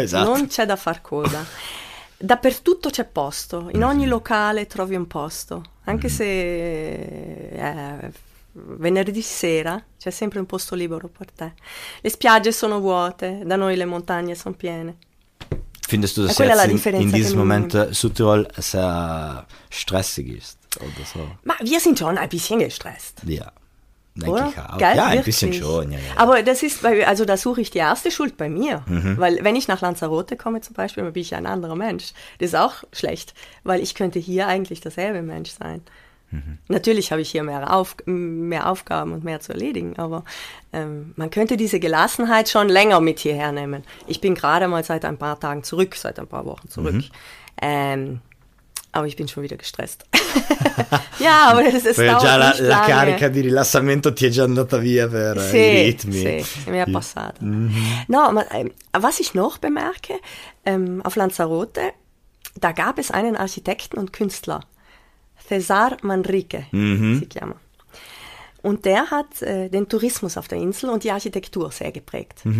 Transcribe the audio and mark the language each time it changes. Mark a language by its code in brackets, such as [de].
[it] esatto. Non c'è da far coda. Dappertutto c'è posto, in mm-hmm. ogni locale trovi un posto, anche mm-hmm. se venerdì sera c'è sempre un posto libero per te. Le spiagge sono vuote, da noi le montagne sono piene. [de] Findest du das jetzt in diesem Moment Südtirol sehr stressig ist oder so? Ma, wir sind schon ein bisschen gestresst. Ja, denke ich auch. Geil, ja, wirklich. Ein bisschen schon. Ja, ja. Aber das ist, also da suche ich die erste Schuld bei mir. Mhm. Weil wenn ich nach Lanzarote komme zum Beispiel, dann bin ich ein anderer Mensch. Das ist auch schlecht, weil ich könnte hier eigentlich derselbe Mensch sein. Mhm. Natürlich habe ich hier mehr Aufgaben und mehr zu erledigen, aber man könnte diese Gelassenheit schon länger mit hierher nehmen. Ich bin gerade mal seit ein paar Tagen zurück, seit ein paar Wochen zurück, mhm. Aber ich bin schon wieder gestresst. Ja, aber es ist [it] già la carica di rilassamento ti è già andata via per sì, i ritmi. Sì, mi è passata. [de] Mhm. No, ma, was ich noch bemerke, auf Lanzarote, da gab es einen Architekten und Künstler, Cesar Manrique, mhm. [it] si chiama. [de] Und der hat den Tourismus auf der Insel und die Architektur sehr geprägt. Mhm.